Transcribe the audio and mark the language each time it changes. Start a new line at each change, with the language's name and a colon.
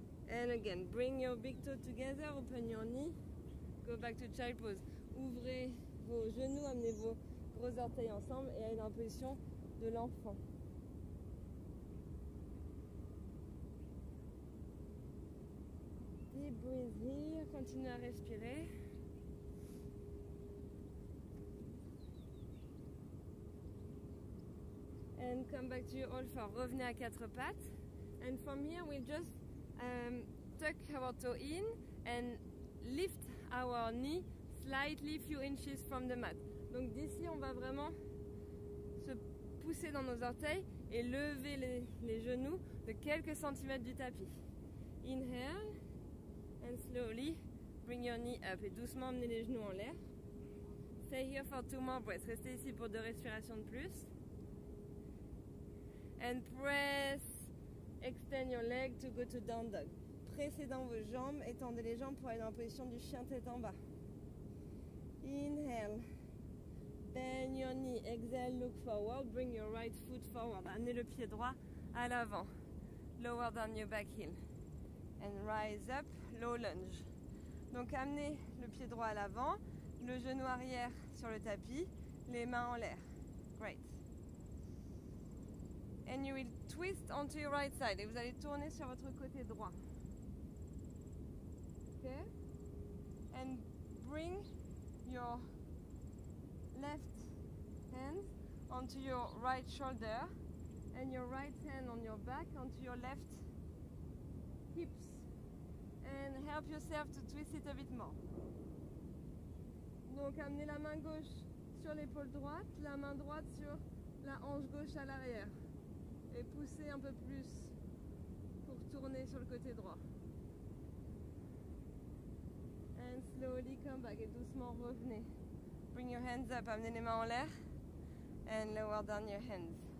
English: And again, bring your big toe together, open your knee, go back to child pose.
French: Ouvrez vos genoux, amenez vos gros orteils ensemble et allez dans la position de l'enfant.
English: Deep breath here,
French: continue à respirer.
English: And come back to your all four,
French: revenez à quatre pattes.
English: And from here, we'll just tuck our toe in and lift our knee slightly few inches from the mat.
French: Donc d'ici, on va vraiment se pousser dans nos orteils et lever les genoux de quelques centimètres du tapis.
English: Inhale and slowly bring your knee up.
French: Et doucement, amenez les genoux en l'air.
English: Stay here for two more breaths.
French: Restez ici pour deux respirations de plus.
English: And press. Extend your leg to go to down dog.
French: Pressez dans vos jambes, étendez les jambes pour aller dans la position du chien tête en bas.
English: Inhale. Bend your knee. Exhale, look forward. Bring your right foot forward.
French: Amenez le pied droit à l'avant.
English: Lower down your back heel. And rise up, low lunge.
French: Donc amenez le pied droit à l'avant, le genou arrière sur le tapis, les mains en l'air. Great.
English: And you will twist onto your right side.
French: Et vous allez tourner sur votre côté droit.
English: Okay? And bring your left hand onto your right shoulder. and your right hand on your back onto your left hips, and help yourself to twist it a bit more.
French: Donc amenez la main gauche sur l'épaule droite, la main droite sur la hanche gauche à l'arrière, et poussez un peu plus pour tourner sur le côté droit.
English: And slowly come back,
French: et doucement revenez.
English: Bring your hands up,
French: amenez les mains en l'air,
English: and lower down your hands.